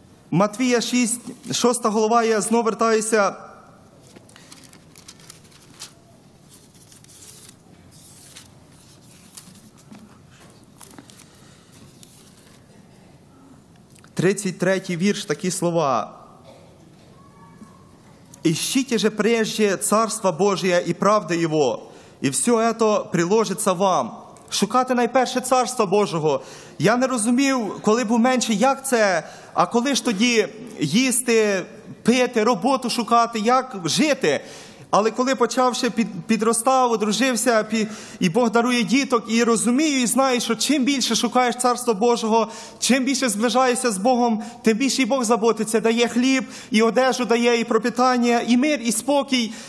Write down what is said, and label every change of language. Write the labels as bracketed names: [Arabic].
[Ukrainian] Матвія 6, 6 глава, я знову вертаюся. Тридцять третій вірш, такі слова. [Russian] «Ищите же прежде Царства Божия [Ukrainian] і правди Його, і [Russian] все это приложиться вам». [Ukrainian] Шукати найперше Царства Божого. Я не розумів, коли був менше, як це, а коли ж тоді їсти, пити, роботу шукати, як жити. Але коли почав ще підростав, одружився, і Бог дарує діток, і розумію, і знаю, що чим більше шукаєш Царство Божого, чим більше зближаєшся з Богом, тим більше і Бог заботиться, дає хліб, і одежу дає, і пропитання, і мир, і спокій.